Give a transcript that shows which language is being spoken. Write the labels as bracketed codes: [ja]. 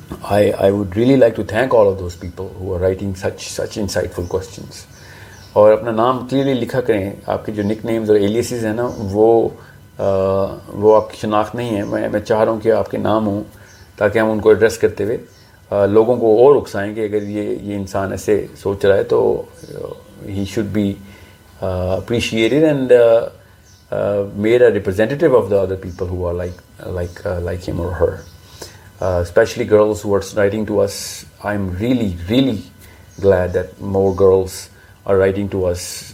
[en] I would really like to thank all of those people who are writing such insightful questions. [hi] और अपना नाम clearly लिखा करें, आपके जो nicknames और aliases हैं ना वो आपकी शनाख्त नहीं है. मैं चाह रहा हूँ कि आपके नाम हों ताकि हम उनको address करते हुए लोगों को और उकसाएँ कि अगर ये इंसान ऐसे सोच रहा है तो [en] he should be appreciated and made a representative of the other people who are like him or her. Especially girls who are writing to us, I'm really, really glad that more girls are writing to us.